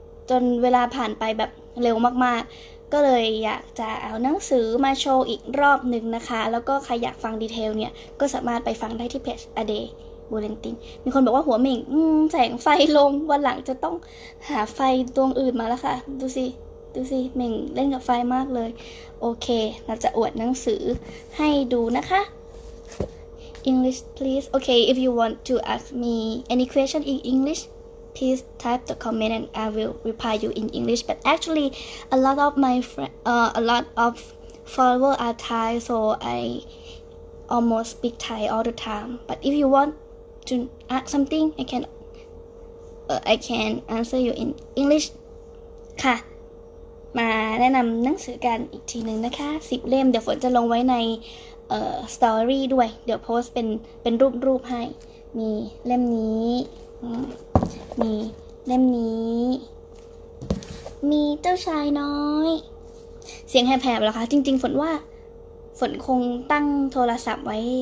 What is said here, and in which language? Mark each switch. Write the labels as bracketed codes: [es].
[th] จนเวลาผ่านไปแบบเร็วมากๆก็เลยอยากจะเอาหนังสือมาโชว์อีกรอบหนึ่งนะคะแล้วก็ใครอยากฟังดีเทลเนี่ยก็สามารถไปฟังได้ที่เพจ A Day Bulletin มีคนบอกว่าหัวเหม่งแสงไฟลงวันหลังจะต้องหาไฟดวงอื่นมาแล้วค่ะดูสิ เหม่งเล่นกับไฟมากเลยโอเคเราจะอวดหนังสือให้ดูนะคะ [en] English please okay if you want to ask me any question in EnglishPlease type the comment and I will reply you in English. But actually, a lot of my a lot of followers are Thai, so I almost speak Thai all the time. But if you want to ask something, I can answer you in English. [th] ค่ะมาแนะนำหนังสือกันอีกทีนึงนะคะ10เล่มเดี๋ยวฝนจะลงไว้ในstory ด้วยเดี๋ยวโพสเป็นรูปให้มีเล่มนี้มีเล่มนี้มีเจ้าชายน้อยเสียงแหบๆแล้วคะจริงๆฝนคงตั้งโทรศัพท์ไว้